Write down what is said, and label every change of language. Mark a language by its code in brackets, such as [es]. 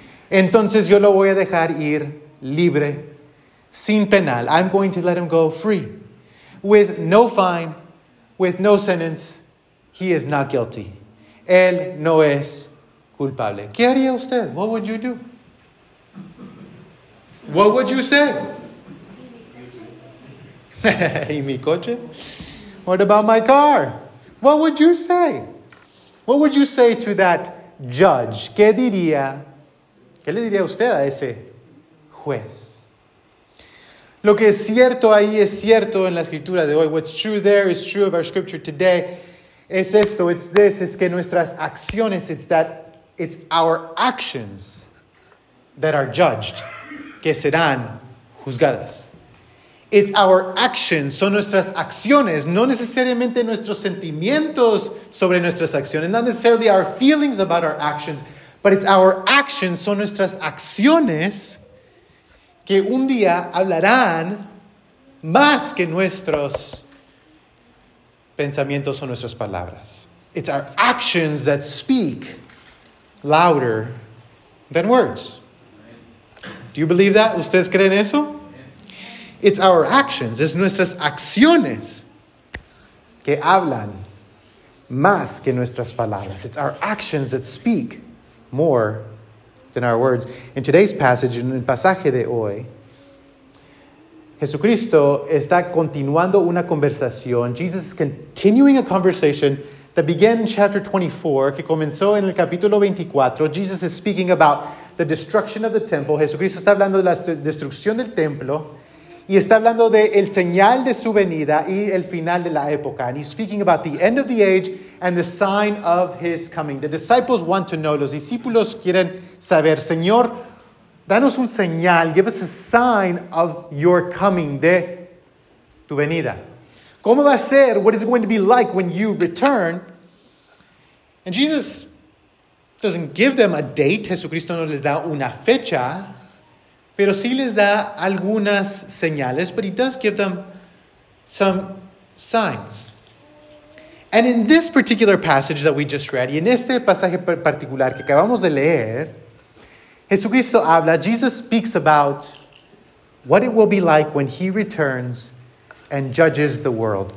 [es] Entonces yo lo voy a dejar ir libre, sin penal. [en] I'm going to let him go free, with no fine, with no sentence. He is not guilty. [es] Él no es culpable. ¿Qué haría usted? [en] What would you do? What would you say? [es] ¿Y mi coche? [en] What about my car? What would you say? What would you say to that judge? [es] ¿Qué diría? ¿Qué le diría usted a ese juez? Lo que es cierto ahí es cierto en la escritura de hoy. [en] What's true there is true of our scripture today. [es] Es esto, [en] it's this, [es] es que nuestras acciones, [en] it's our actions that are judged, [es] que serán juzgadas. [en] It's our actions, [es] son nuestras acciones, no necesariamente nuestros sentimientos sobre nuestras acciones, [en] not necessarily our feelings about our actions, but it's our actions, [es] son nuestras acciones que un día hablarán más que nuestros pensamientos o nuestras palabras. [en] It's our actions that speak louder than words. Do you believe that? [es] ¿Ustedes creen eso? [en] It's our actions. [es] Es nuestras acciones que hablan más que nuestras palabras. [en] It's our actions that speak more than our words. In today's passage, [es] en el pasaje de hoy, Jesucristo está continuando una conversación. [en] Jesus is continuing a conversation that began in chapter 24, [es] que comenzó en el capítulo 24. [en] Jesus is speaking about the destruction of the temple. [es] Jesucristo está hablando de la destrucción del templo y está hablando de el señal de su venida y el final de la época. [en] And he's speaking about the end of the age and the sign of his coming. [es] The disciples want to know. Los discípulos quieren saber, Señor, danos un señal, [en] give us a sign of your coming, [es] de tu venida. ¿Cómo va a ser? [en] What is it going to be like when you return? And Jesus doesn't give them a date. [es] Jesucristo no les da una fecha, pero sí les da algunas señales. [en] But he does give them some signs. And in this particular passage that we just read, [es] y en este pasaje particular que acabamos de leer, Jesucristo habla, [en] Jesus speaks about what it will be like when he returns and judges the world.